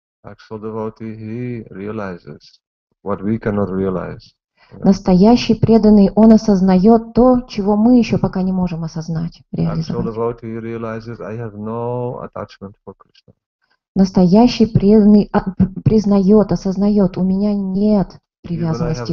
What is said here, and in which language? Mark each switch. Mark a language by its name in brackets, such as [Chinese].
[English] Actual devotee, he realizes what we cannot realize. [Russian] Настоящий преданный, он осознает то, чего мы еще пока не можем осознать, реализовать. [English] Actual devotee, he realizes, I have no attachment for Krishna. [Russian] Настоящий преданный признает, осознает, у меня нет привязанности